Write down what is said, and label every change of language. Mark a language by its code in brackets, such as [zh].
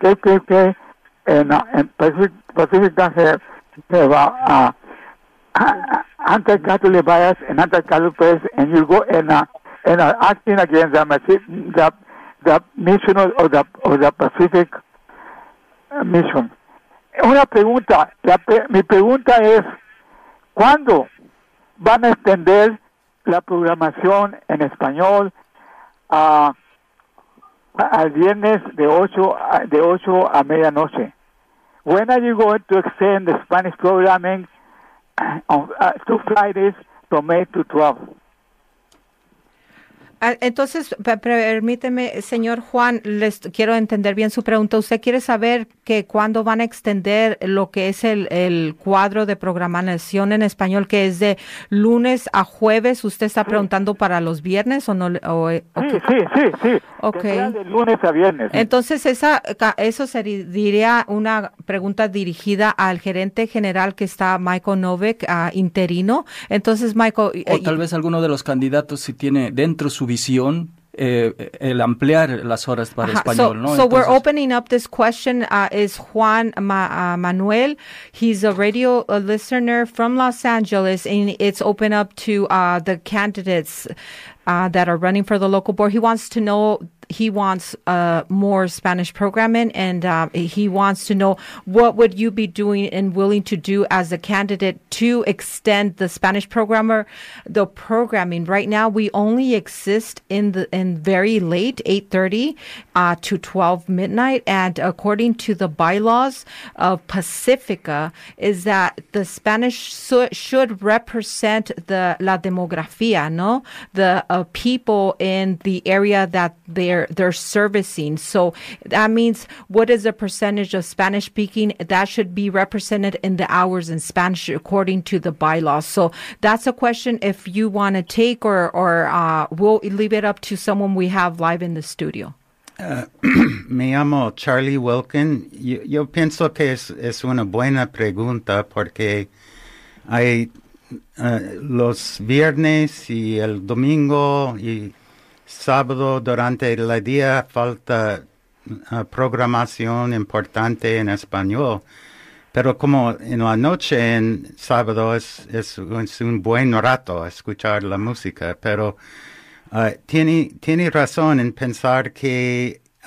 [en] KPSK [es] en Pacífica se va a [en] anti-Catholic bias and anti-Catholic bias, and you go and acting against the mission of the Pacific mission. [es] Una pregunta, mi pregunta es, ¿cuándo van a extender la programación en español al viernes de 8 a medianoche? [en] When are you going to extend the Spanish programming to Fridays from May to 12? [es] Entonces, permíteme, señor Juan, les quiero entender bien su pregunta. ¿Usted quiere saber que cuándo van a extender lo que es el cuadro de programación en español, que es de lunes a jueves? ¿Usted está preguntando para los viernes o no? Okay. Sí. Okay. De lunes a viernes. Entonces, eso sería una pregunta dirigida al gerente general, que está Michael Novick, interino. Entonces, Michael... Tal vez alguno de los candidatos, si tiene dentro su visión, el ampliar las horas para español, ¿no? [en] So [es] entonces, [en] we're opening up this question. Is Juan Manuel. He's a radio listener from Los Angeles, and it's open up to the candidates that are running for the local board. He wants more Spanish programming, and he wants to know what would you be doing and willing to do as a candidate to extend the Spanish programming. Right now, we only exist in very late, 8:30 to 12 midnight. And according to the bylaws of Pacifica, is that the Spanish should represent the [es] la demografía, no? [en] The people in the area that they're servicing. So that means what is the percentage of Spanish speaking that should be represented in the hours in Spanish according to the bylaws. So that's a question if you want to take or we'll leave it up to someone we have live in the studio. [es] me llamo Charlie Wilkin. Yo pienso que es una buena pregunta porque hay los viernes y el domingo y sábado durante el día falta programación importante en español, pero como en la noche en sábado es un buen rato escuchar la música, pero tiene razón en pensar que